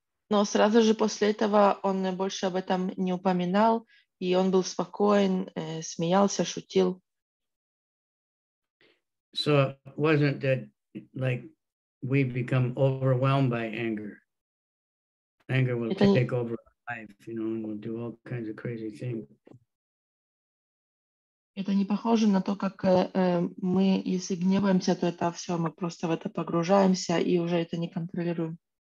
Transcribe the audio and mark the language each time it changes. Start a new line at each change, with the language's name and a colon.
Russian: Но сразу же после этого он больше об этом не упоминал, и он был спокоен, смеялся, шутил.
English: So it wasn't that like we become overwhelmed by anger. Anger will take over our life, you know, and we'll do all kinds of crazy things.
Russian: Это не похоже на то, как мы, если гневаемся, то это все, мы просто в это погружаемся и уже это не контролируем.